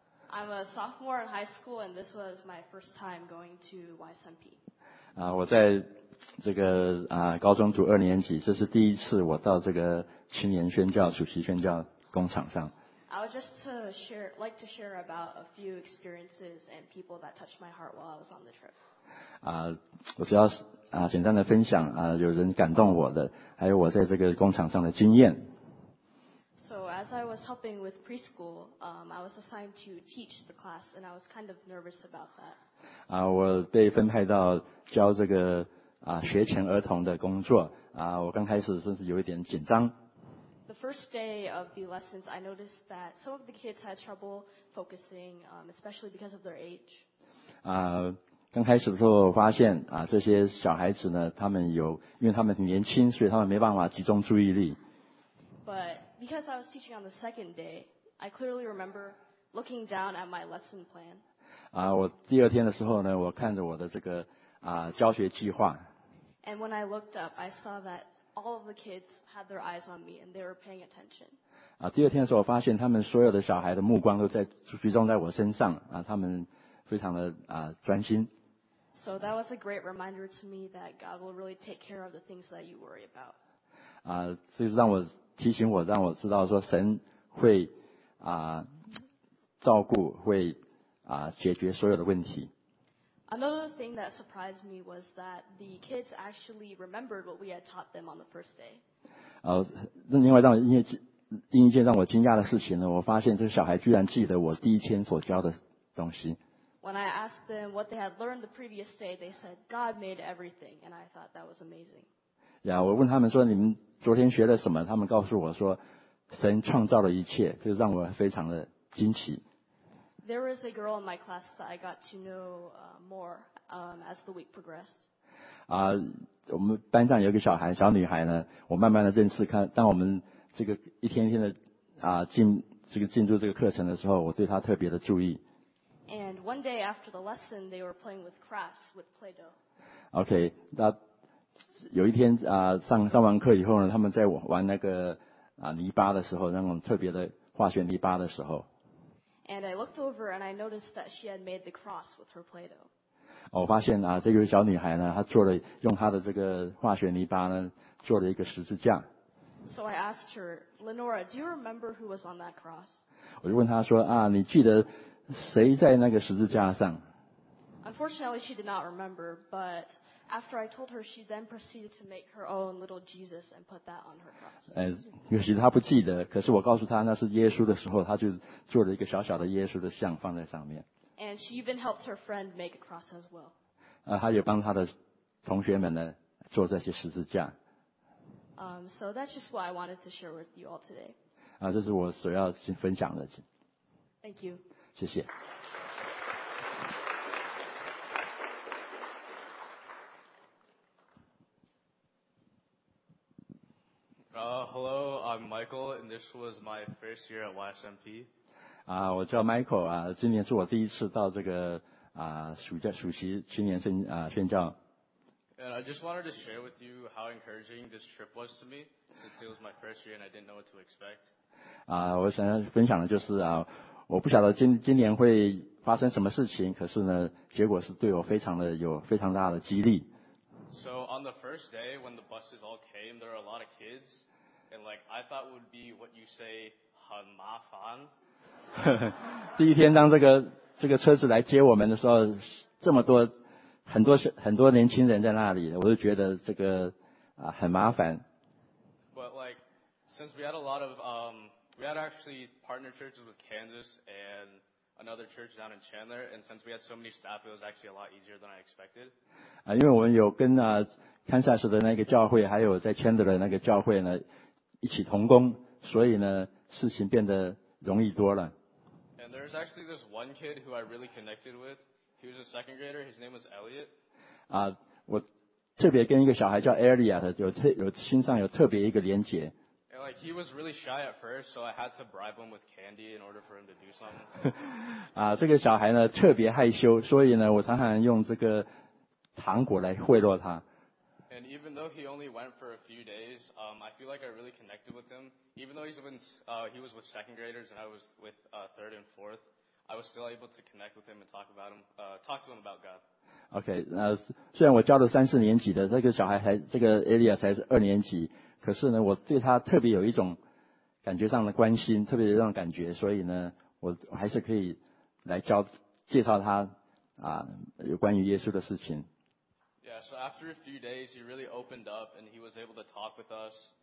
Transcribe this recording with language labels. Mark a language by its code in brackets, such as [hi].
[en] I'm a sophomore in high school, and this was my first time going to YSMP. [zh] 我在高中读二年级，这是第一次我到这个青年宣教、暑期宣教工厂上。 [en] I would just like to share about a few experiences and people that touched my heart while I was on the trip. [zh] 我只要简单的分享，有人感动我的，还有我在这个工厂上的经验。 [en] So as I was helping with preschool, I was assigned to teach the class, and I was kind of nervous about that. [zh] 我被分派到教这个学前儿童的工作，我刚开始甚至有一点紧张。 [en] The first day of the lessons, I noticed that some of the kids had trouble focusing, especially because of their age. [zh] 刚开始的时候我发现这些小孩子呢，他们有，因为他们很年轻，所以他们没办法集中注意力。 [en] But because I was teaching on the second day, I clearly remember looking down at my lesson plan. [zh] 我第二天的时候呢，我看着我的这个教学计划。 [en] And when I looked up, I saw that all of the kids had their eyes on me and they were paying attention. [zh] 第二天的时候，我发现他们所有的小孩的目光都在集中在我身上他们非常的专心。 [en] So that was a great reminder to me that God will really take care of the things that you worry about. [zh] 所以让我提醒我，让我知道说神会照顾，会解决所有的问题。 [en] Another thing that surprised me was that the kids actually remembered what we had taught them on the first day. [zh] 另一件让我惊讶的事情呢，我发现这个小孩居然记得我第一天所教的东西。 [en] When I asked them what they had learned the previous day, they said, God made everything, and I thought that was amazing. [zh] Yeah, 我问他们说你们昨天学了什么，他们告诉我说神创造了一切，这让我非常的惊奇。 [en] There was a girl in my class that I got to know more as the week progressed. [zh] 我们班上有一个小孩，小女孩呢，我慢慢的认识，看当我们这个一天一天的进入这个课程的时候，我对她特别的注意。 [en] And one day after the lesson, they were playing with crafts with Play-Doh. [zh] Okay, 那有一天上完课以后呢，他们在玩那个泥巴的时候，那种特别的化学泥巴的时候。 [en] And I looked over and I noticed that she had made the cross with her Play-Doh. [zh] 我发现这个小女孩呢，她做了用她的这个化学泥巴呢，做了一个十字架。 [en] So I asked her, Lenora, do you remember who was on that cross? [zh] 我就问她说你记得谁在那个十字架上？ [en] Unfortunately, she did not remember, but after I told her, she then proceeded to make her own little Jesus and put that on her cross. [zh] 也许她不记得，可是我告诉她那是耶稣的时候，她就做了一个小小的耶稣的像放在上面。 [en] And she even helped her friend make a cross as well. [zh] 她也帮她的同学们呢做这些十字架。 [en] So that's just what I wanted to share with you all today. [zh] 这是我所要分享的。 [en] Thank you. [zh] 谢谢。 [en] Hello, I'm Michael, and this was my first year at YSMP. [zh] 我叫 Michael, 今年是我第一次到这个暑期青年宣教。 [en] And I just wanted to share with you how encouraging this trip was to me, since it was my first year and I didn't know what to expect. [zh] 我想分享的就是我不晓得今年会发生什么事情，可是呢，结果是对我非常的有非常大的激励。 [en] So on the first day when the buses all came, there were a lot of kids. And like I thought would be what you say, [zh] 很麻烦。第一天当这个车子来接我们的时候，这么多很多年轻人在那里，我就觉得这个很麻烦。 [en] But like since we had a lot of we had actually partner churches with Kansas and another church down in Chandler, and since we had so many staff, it was actually a lot easier than I expected. [zh] 因为我们有跟堪萨斯的那个教会，还有在 Chandler 的那个教会呢。一起同工，所以呢，事情变得容易多了。 [en] And there's actually this one kid who I really connected with. He was a second grader. His name was Elliot. [zh] 我特别跟一个小孩叫 Elliot 有心上有特别一个连结。 [en] And like he was really shy at first, so I had to bribe him with candy in order for him to do something. [zh] 这个小孩呢特别害羞，所以呢，我常常用这个糖果来贿赂他。 [en] And even though he only went for a few days, I feel like I really connected with him. Even though he was with second graders and I was with third and fourth, I was still able to connect with him and talk to him about God. [zh] Okay, 那虽然我教了三四年级的这个小孩还这个 Elia 才是二年级，可是呢，我对他特别有一种感觉上的关心，特别有一种感觉，所以呢，我还是可以来介绍他啊，有关于耶稣的事情。 [en] Yeah, so after a few days, he really opened up and he was able to talk with us.